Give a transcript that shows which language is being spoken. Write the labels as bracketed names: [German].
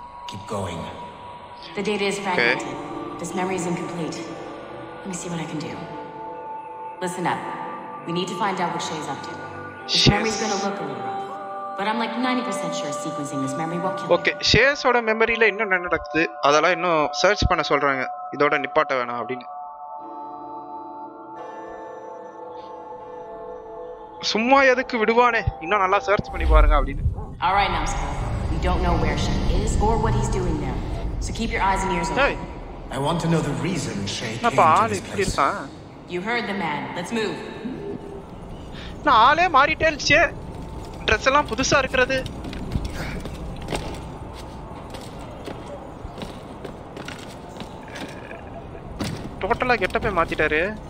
[English] Keep going. The data is fragmented. Okay. This memory is incomplete. Let me see what I can do. Listen up. We need to find out what Shay's up to. Shay's memory's gonna look a little rough. But I'm like 90% sure sequencing this memory won't kill okay. him. [Tamil] Okay, Shay's memory la innum enna nadakkudhu adala innum search panna solranga idoda nippata vena appadina சும்மா எதுக்கு விடுவானே இன்னும் நல்லா search பண்ணி பாருங்க அப்படின்னு [English] All right now sir we don't know where she is or what he's doing now so keep your eyes and ears open hey. I want to know the reason Shay came to this place You heard the man let's move [Tamil] நாளே மாறிட்டேன்ச்சே Dress எல்லாம் புதுசா இருக்குது டோட்டலா கெட்டப்பே மாத்திட்டாரு